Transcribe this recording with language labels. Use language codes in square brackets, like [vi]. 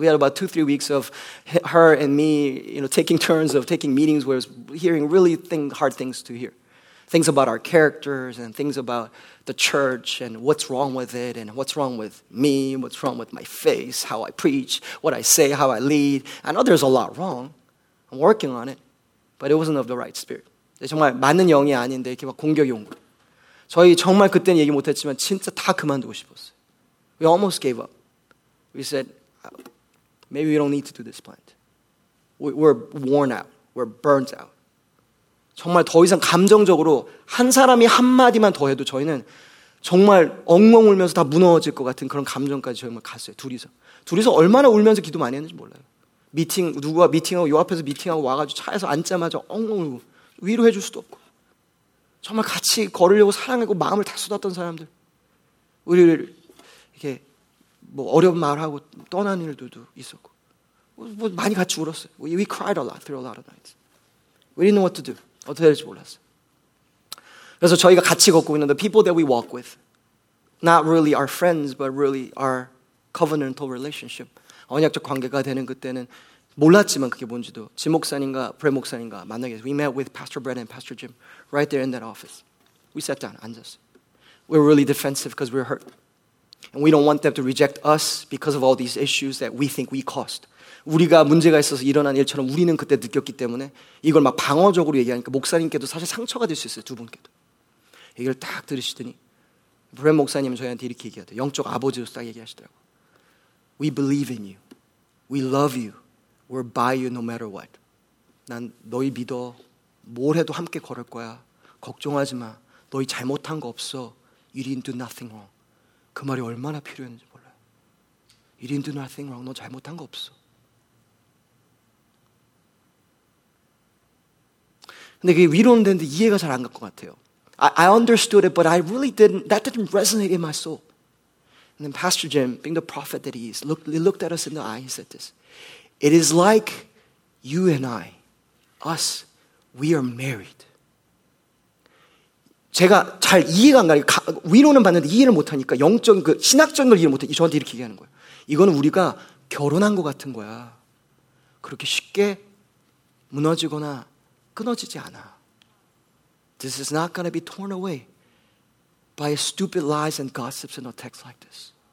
[en] We had about 2-3 weeks of her and me, you know, taking turns of taking meetings where we're hearing really hard things to hear. Things about our characters and things about the church and what's wrong with it and what's wrong with me, what's wrong with my face, how I preach, what I say, how I lead. I know there's a lot wrong. I'm working on it, but it wasn't of the right spirit. [ko] 정말 맞는 영이 아닌데 이렇게 막 공격이 온 거예요. 저희 정말 그때는 얘기 못했지만 진짜 다 그만두고 싶었어요. [en] We almost gave up. We said, maybe we don't need to do this plant. We're worn out. We're burnt out. [ko] 정말 더 이상 감정적으로 한 사람이 한마디만 더 해도 저희는 정말 엉엉 울면서 다 무너질 것 같은 그런 감정까지 정말 갔어요. 둘이서. 둘이서 얼마나 울면서 기도 많이 했는지 몰라요. 미팅, 누구와 미팅하고 요 앞에서 미팅하고 와가지고 차에서 앉자마자 엉엉 울고 위로해 줄 수도 없고 정말 같이 걸으려고 사랑하고 마음을 다 쏟았던 사람들 우리를 이렇게 뭐 어려운 말하고 떠난 일들도 있었고 뭐 많이 같이 울었어요. [en] We cried a lot through a lot of nights. We didn't know what to do. [ko] 어떻게 될지 몰랐어요. 그래서 저희가 같이 걷고 있는 [en] the people that we walk with, not really our friends, but really our covenantal relationship, [ko] 언약적 관계가 되는 그때는 몰랐지만 그게 뭔지도 지 목사님과 브레 목사님과 만나게 돼서 [en] we met with Pastor Brett and Pastor Jim right there in that office. We sat down, [ko] 앉았어요. [en] We were really defensive because we were hurt. And we don't want them to reject us because of all these issues that we think we caused. [ko] 우리가 문제가 있어서 일어난 일처럼 우리는 그때 느꼈기 때문에 이걸 막 방어적으로 얘기하니까 목사님께도 사실 상처가 될 수 있어요, 두 분께도. 얘기를 딱 들으시더니 브랜 목사님 저희한테 이렇게 얘기하더라고요. 영적 아버지로 딱 얘기하시더라고요. [en] We believe in you. We love you. We're by you no matter what. [ko] 난 너희 믿어. 뭘 해도 함께 걸을 거야. 걱정하지 마. 너희 잘못한 거 없어. [en] You didn't do nothing wrong. [ko] 그 말이 얼마나 필요했는지 몰라요. [en] You didn't do nothing wrong. [ko] 너 잘못한 거 없어. 근데 그게 위로는 되는데 이해가 잘 안 갈 것 같아요. [en] I understood it, but I really didn't, that didn't resonate in my soul. And then Pastor Jim, being the prophet that he is, looked at us in the eye and said this. It is like you and I, us, we are married. [ko] 제가 잘 이해가 안 가니까, 위로는 받는데 이해를 못하니까 영적인, 그 신학적인 걸 이해를 못해. 저한테 이렇게 얘기하는 거예요. 이건 우리가 결혼한 것 같은 거야. 그렇게 쉽게 무너지거나 끊어지지 않아. [en] This is not going to be torn away by stupid lies and gossips and attacks like this.